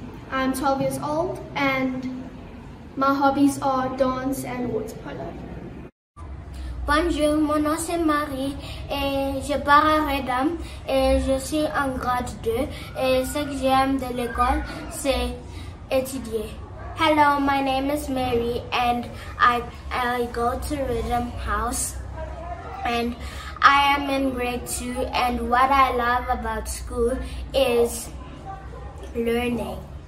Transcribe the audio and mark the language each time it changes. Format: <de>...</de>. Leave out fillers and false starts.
<en>I'm 12 years old and my hobbies are dance and water polo.</en> <fr>Bonjour, mon nom c'est Marie et je pars à Reddam et je suis en grade 2 et ce que j'aime de l'école c'est étudier.</fr> <en>Hello, my name is Mary and I go to Reddam House and I am in grade 2 and what I love about school is learning.</en>